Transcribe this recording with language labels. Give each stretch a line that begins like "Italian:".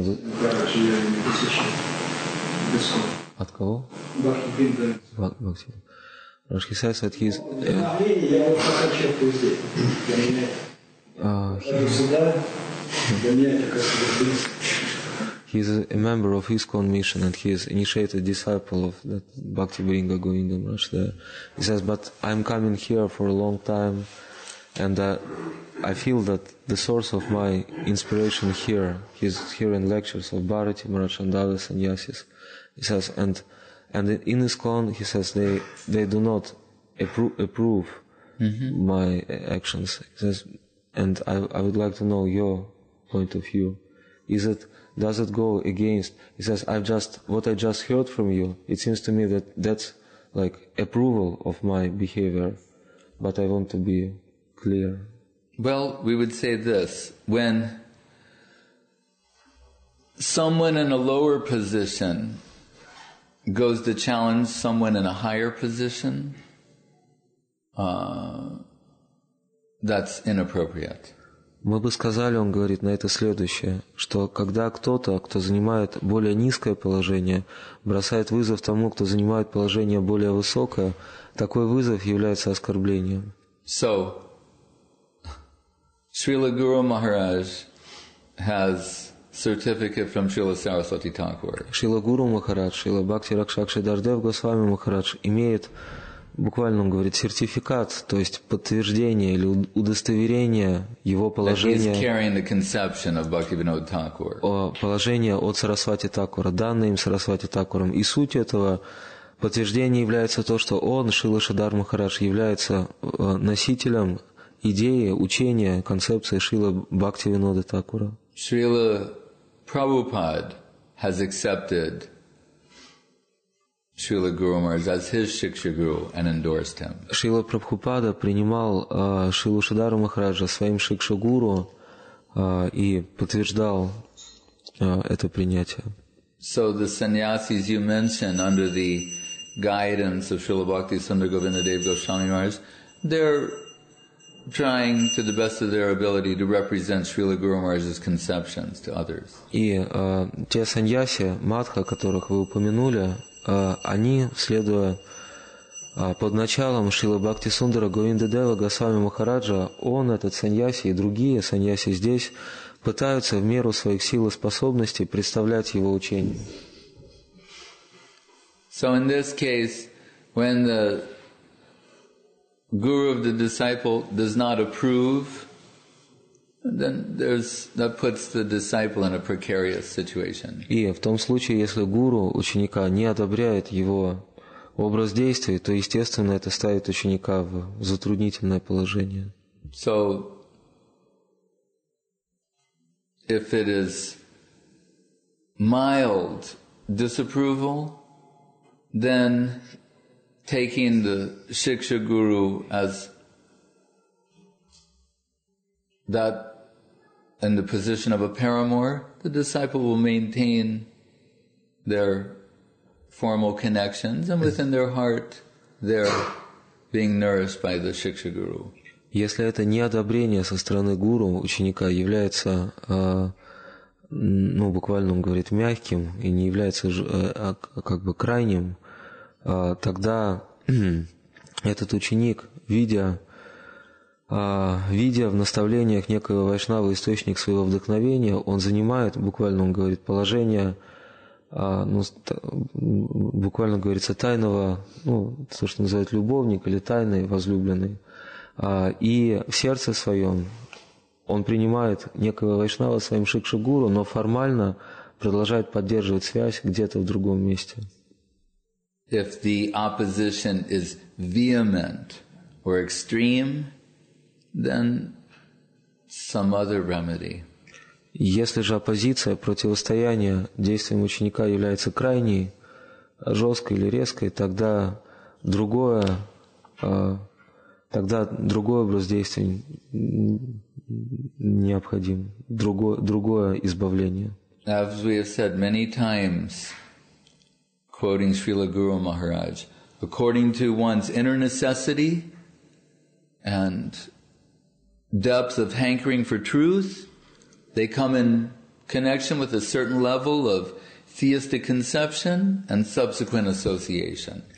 Russian: Махарадж, я не посвящаю. Без слов. От кого? Бахти Бриндаринс. Бахти Бриндаринс. Рашки Сай Садхи... Вдохновение, я вот пока черпаю здесь. Для меня это... Сюда, для меня это как-то близко.
English: He is a member of ISKCON mission and he is initiated disciple of that Bhakti Vrinda Govindam Rashda. He says, but I'm coming here for a long time and I feel that the source of my inspiration here, he's hearing lectures of Bharati, Marachandada, Sanyasis. He says, And in ISKCON, he says, they do not approve mm-hmm. my actions. He says, and I would like to know your point of view. Does it go against? He says, what I just heard from you, it seems to me that that's like approval of my behavior, but I want to be clear. Well, we would say this, when someone in a lower position goes to challenge someone in a higher position, that's inappropriate.
Russian: Мы бы сказали, он говорит, на это следующее, что когда кто-то, кто занимает более низкое положение, бросает вызов тому, кто занимает положение более высокое, такой вызов является оскорблением.
English: So, Srila Guru Maharaj has certificate from Srila Saraswati Thakur.
Russian: Srila Guru Maharaj, Srila Bhakti Rakshakshi Dardev Goswami Maharaj имеет, буквально он говорит, сертификат, то есть подтверждение или удостоверение его положения.
English: He is carrying the conception of Bhaktivinoda Thakur.
Russian: Положение от Сарасвати Такура, данное им Сарасвати Такуром. И суть этого подтверждения является то, что он, Шрила Шридхар Махарадж, является носителем идеи, учения, концепции Шрила Бхактивинода Такура.
English: Srila Prabhupada has accepted Srila Guru Maharaj as his Shiksha Guru and endorsed him.
Russian: Srila Prabhupada принимал Шрилу Шридхара Махараджа своим Шикша Гуру и подтверждал это принятие.
English: So the sannyasis you mentioned under the guidance of Srila Bhakti Sundar Govindadeva Goswami Maharaj, they're trying to the best of their ability to represent Srila Guru Maharaj's conceptions to others.
Russian: И те саньяси, матха, которых вы упомянули, они, следуя под началом Шрилы Бхакти Сундара Говиндадева Госвами Махараджа, он, этот саньяси и другие саньяси здесь пытаются в меру своих сил и способностей представлять его учение.
English: So in this case, when the guru of the disciple does not approve, then that puts the disciple in a precarious situation.
Russian: И в том случае, если гуру ученика не одобряет его образ действий, то естественно это ставит ученика в затруднительное положение.
English: So, if it is mild disapproval, then taking the Shiksha Guru as that in the position of a paramour, the disciple will maintain their formal connections and within their heart they're being nourished by the Shiksha Guru.
Russian: Если это неодобрение со стороны гуру ученика является, ну, буквально он говорит, мягким и не является как бы крайним, тогда этот ученик, видя в наставлениях некого вайшнава источник своего вдохновения, он занимает, буквально он говорит, положение, ну, буквально говорится, тайного, ну, то, что называют любовник или тайный возлюбленный. И в сердце своем он принимает некого вайшнава своим шикшигуру, но формально продолжает поддерживать связь где-то в другом месте.
English: If the opposition is vehement or extreme, then some other remedy.
Russian: Если же оппозиция, противостояние действиям ученика является крайней, жесткой или резкой, тогда другое, тогда другой образ действий необходим, другое избавление.
English: As we have said many times, quoting Srila Guru Maharaj, according to one's inner necessity and depth of hankering for truth, they come in connection with a certain level of theistic conception and subsequent association.